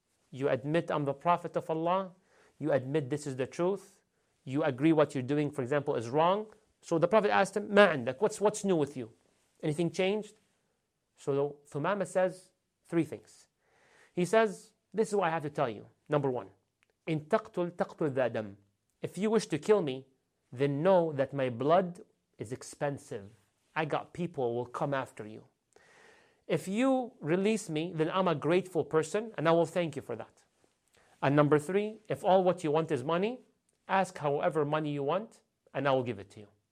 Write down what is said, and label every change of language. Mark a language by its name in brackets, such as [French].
[English] You admit I'm the Prophet of Allah? You admit this is the truth? You agree what you're doing, for example, is wrong? So the Prophet asked him, [Arabic] "Ma عندك? [English] What's new with you? Anything changed?" So Thumama says 3 things. He says, this is what I have to tell you. [Arabic] Number one, إِن تَقْتُلْ تَقْتُلْ ذَا دَمْ. [English] If you wish to kill me, then know that my blood is expensive. I got people who will come after you. If you release me, then I'm a grateful person and I will thank you for that. And number three, if all what you want is money, ask however money you want and I will give it to you.